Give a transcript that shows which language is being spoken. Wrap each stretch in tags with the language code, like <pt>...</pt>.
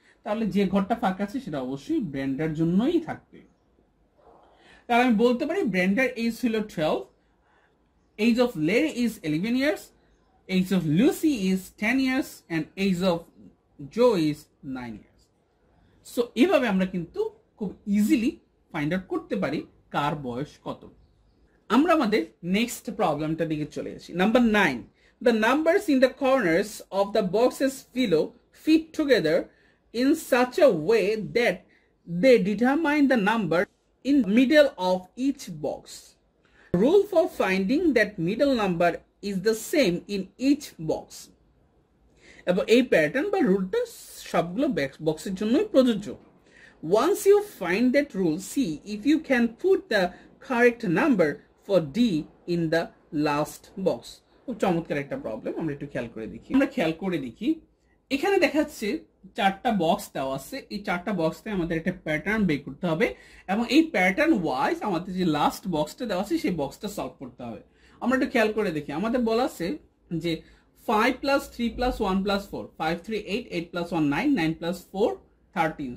<bn>তাহলে যে ঘরটা ফাঁকা আছে সেটা অবশ্যই ব্র্যান্ডার জন্যই থাকবে, তাহলে আমি বলতে পারি ব্র্যান্ডার এজ হলো 12,</bn> <en>Age of Larry is 11 years, age of Lucy is 10 years, and age of Joe is 9 years.</en> <bn>So এভাবে আমরা কিন্তু খুব ইজিলি ফাইন্ড আউট করতে পারি কার বয়স কত। আমরা আমাদের নেক্সট প্রবলেমটা দিকে চলে আসি, number 9,</bn> <en>The numbers in the corners of the boxes below fit together in such a way that they determine the number in the middle of each box. The rule for finding that middle number is the same in each box.</en> <bn>এবং এই pattern বা রুলটা সবগুলো বক্সের জন্যই প্রযোজ্য।</bn> <en>Once you find that rule, see if you can put the correct number for D in the last box.</en> <bn>খুব চমৎকার একটা প্রবলেম, আমরা একটু খেয়াল করে দেখি। আমরা খেয়াল করে দেখি, এখানে দেখাচ্ছে চারটা বক্স দেওয়া আছে। এই চারটা বক্সতে আমাদের একটা প্যাটার্ন বের করতে হবে এবং এই প্যাটার্ন ওয়াইজ আমাদের যে লাস্ট বক্সটা দেওয়া আছে সেই বক্সটা সলভ করতে হবে। আমরা একটু খেয়াল করে দেখি, আমাদের বলা আছে যে 5 plus 3 plus 1 plus 4, 5, 3, 8, 8 plus 1, 9, 9 plus 4, 13.</bn>